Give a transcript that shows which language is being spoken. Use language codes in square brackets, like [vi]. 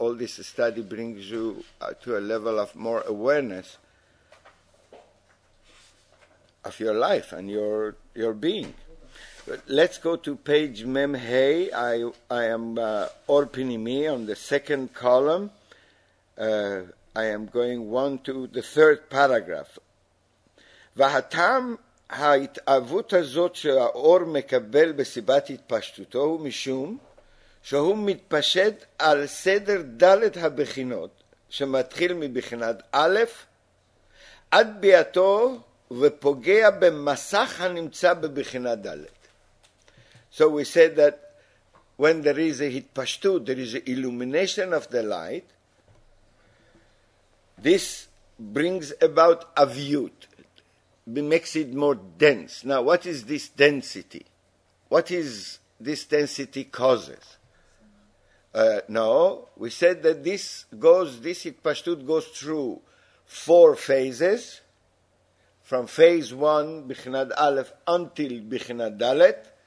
[en] All this study brings you to a level of more awareness of your life and your being. But let's go to page Mem Hei. I am Or Pinimi on the second column. I am going on to the third paragraph. [he] V'hatam ההתאהבות הזאת שהאור מקבל בסיבת התפשטותו הוא משום שהוא מתפשט על סדר דלת הבחינות שמתחיל מבחינת א' עד ביאתו ופוגע במסך הנמצא בבחינת ד'. [en] So we said that when there is a התפשטות, there is an illumination of the light, this brings about aviyut. Makes it more dense. Now, what is this density? What is this density causes? No, we said that this hitpashtut goes through four phases, from phase one, bichinat aleph, until bichinat dalet.